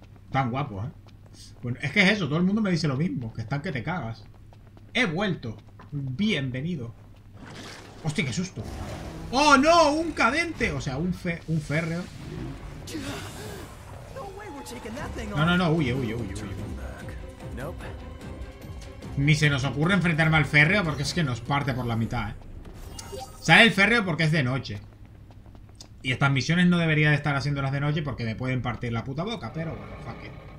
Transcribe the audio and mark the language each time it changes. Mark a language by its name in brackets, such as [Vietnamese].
[Spanish] Tan guapo, ¿eh? Bueno, es que es eso, todo el mundo me dice lo mismo, que están que te cagas. He vuelto. Bienvenido. ¡Hostia, qué susto! ¡Oh, no! ¡Un cadente! O sea, un férreo. [English] No way we're taking that thing off. [Spanish] No, no, no, huye, huye, huye, huye. Ni se nos ocurre enfrentarme al férreo porque es que nos parte por la mitad, ¿eh? Sale el férreo porque es de noche. Y estas misiones no debería de estar haciéndolas de noche porque me pueden partir la puta boca, pero bueno, [English] fuck it.